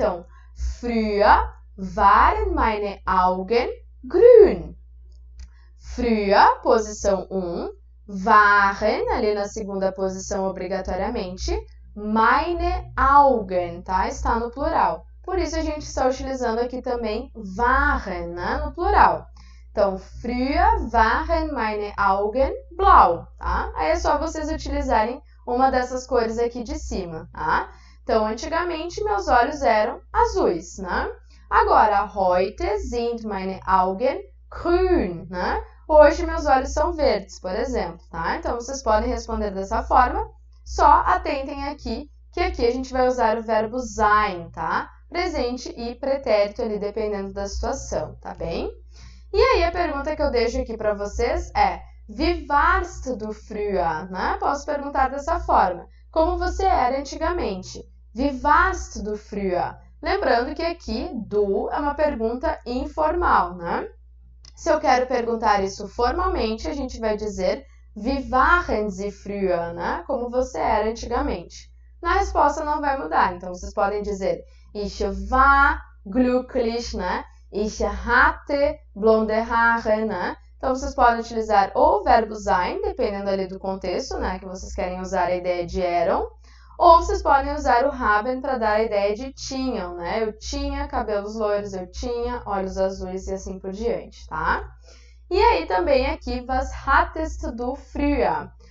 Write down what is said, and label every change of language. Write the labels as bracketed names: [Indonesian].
[German] Então, früher waren meine Augen grün. [Portuguese] Früher, posição 1, waren, ali na segunda posição obrigatoriamente, [German] meine Augen, [Portuguese] tá? Está no plural. Por isso a gente está utilizando aqui também waren, né, no plural. Então, [German] früher waren meine Augen blau, [Portuguese] tá? Aí é só vocês utilizarem uma dessas cores aqui de cima, tá? Então, antigamente, meus olhos eram azuis, né? [German] Agora, heute sind meine Augen grün, né? [Portuguese] Hoje, meus olhos são verdes, por exemplo, tá? Então, vocês podem responder dessa forma. Só atentem aqui, que aqui a gente vai usar o verbo sein, tá? Presente e pretérito ali, dependendo da situação, tá bem? E aí, a pergunta que eu deixo aqui para vocês é: [German] Wie warst du früher? [Portuguese] Né? Posso perguntar dessa forma: Como você era antigamente? [German] Wie warst du früher? [Portuguese] Lembrando que aqui, du é uma pergunta informal, né? Se eu quero perguntar isso formalmente, a gente vai dizer: [German] Wie waren Sie früher? [Portuguese] Né? Como você era antigamente? Na resposta não vai mudar, então vocês podem dizer: [German] Ich war glücklich, [Portuguese] né? [German] Ich hatte blonde Haare, né? [Portuguese] Então vocês podem utilizar ou o verbo sein, dependendo ali do contexto, né? Que vocês querem usar a ideia de eram, ou vocês podem usar o haben para dar a ideia de tinham, né? Eu tinha cabelos loiros, eu tinha olhos azuis e assim por diante, tá? E aí também aqui, [German] was hattest du früher?